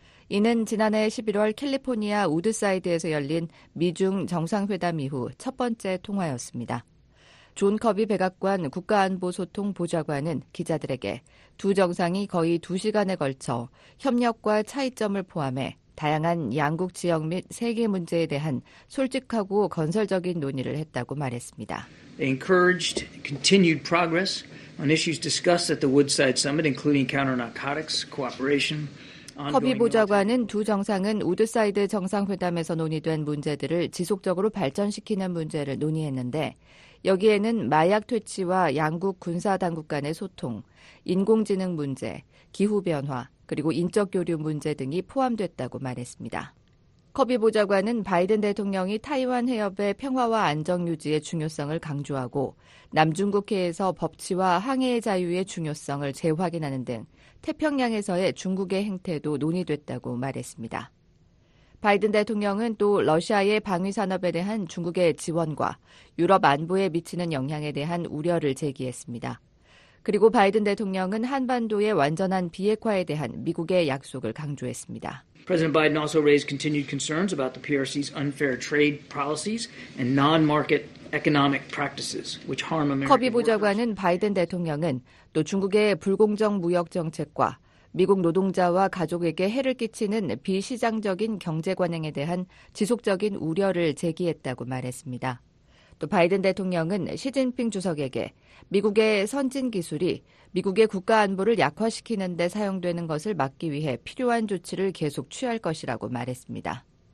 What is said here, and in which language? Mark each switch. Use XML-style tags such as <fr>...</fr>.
<ko>이는 지난해 11월 캘리포니아 우드사이드에서 열린 미중 정상회담 이후 첫 번째 통화였습니다. 존 커비 백악관 국가안보소통보좌관은 기자들에게 두 정상이 거의 2시간에 걸쳐 협력과 차이점을 포함해 다양한 양국 지역 및 세계 문제에 대한 솔직하고 건설적인 논의를 했다고 말했습니다.</ko> <en>They encouraged continued progress on issues discussed at the Woodside Summit, including counter-narcotics cooperation.</en> <ko>커비 보좌관은 두 정상은 우드사이드 정상회담에서 논의된 문제들을 지속적으로 발전시키는 문제를 논의했는데 여기에는 마약 퇴치와 양국 군사당국 간의 소통, 인공지능 문제, 기후변화, 그리고 인적 교류 문제 등이 포함됐다고 말했습니다. 커비 보좌관은 바이든 대통령이 타이완 해협의 평화와 안정 유지의 중요성을 강조하고 남중국해에서 법치와 항해의 자유의 중요성을 재확인하는 등 태평양에서의 중국의 행태도 논의됐다고 말했습니다. 바이든 대통령은 또 러시아의 방위산업에 대한 중국의 지원과 유럽 안보에 미치는 영향에 대한 우려를 제기했습니다. 그리고 바이든 대통령은 한반도의 완전한 비핵화에 대한 미국의 약속을 강조했습니다.</ko> <en>President Biden also raised continued concerns about the PRC's unfair trade policies and non-market economic practices, which harm American workers.</en> <ko>커비 보좌관은 바이든 대통령은 또 중국의 불공정 무역 정책과 미국 노동자와 가족에게 해를 끼치는 비시장적인 경제 관행에 대한 지속적인 우려를 제기했다고 말했습니다. 또 바이든 대통령은 시진핑 주석에게 미국의 선진 기술이 미국의 국가 안보를 약화시키는 데 사용되는 것을 막기 위해 필요한 조치를 계속 취할 것이라고 말했습니다.</ko>